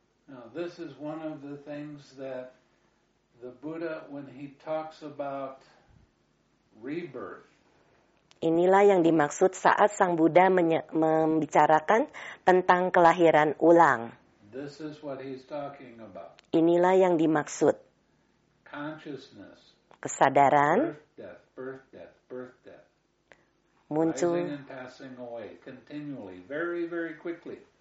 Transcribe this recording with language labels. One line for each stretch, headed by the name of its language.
English: Now, this is one of the things that the Buddha, when he talks about rebirth.
Indonesian: Inilah yang dimaksud saat Sang Buddha membicarakan tentang kelahiran ulang.
English: This is what he's talking about.
Indonesian: Inilah yang dimaksud.
English: Consciousness.
Indonesian: Kesadaran.
English: Birth death.
Indonesian: Muncul.
English: Rising and passing away continually, very, very quickly.